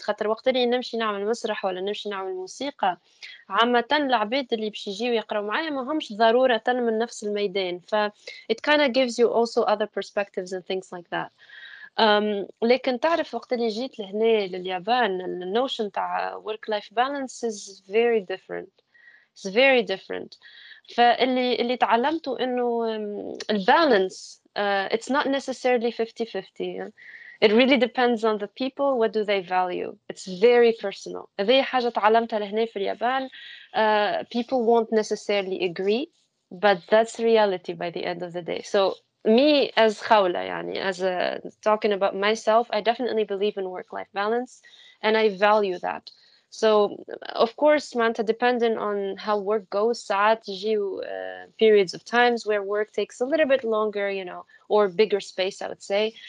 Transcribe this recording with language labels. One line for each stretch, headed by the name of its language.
Arabic: خاطر وقت اللي نمشي نعمل مسرح ولا نمشي نعمل موسيقى عامة العباد اللي بشي يجي ويقرأوا معايا ما همش ضرورة من نفس الميدان.
English: ف it kind of gives you also other perspectives and things like that.
Arabic: لكن تعرف وقت اللي جيت لهنا لليابان
English: the notion
Arabic: تاع
English: work-life balance is very different. It's very different.
Arabic: فاللي تعلمته إنه
English: balance it's not necessarily 50-50. It really depends on the people. What do they value? It's very personal.
Arabic: ذي حاجة تعلمتها لهنا في اليابان.
English: People won't necessarily agree, but that's reality by the end of the day. So me as خولة يعني as a, talking about myself, I definitely believe in work-life balance, and I value that. So of course, manta depending on how work goes,
Arabic: ساعات يجي
English: periods of times where work takes a little bit longer, you know, or bigger space, I would say.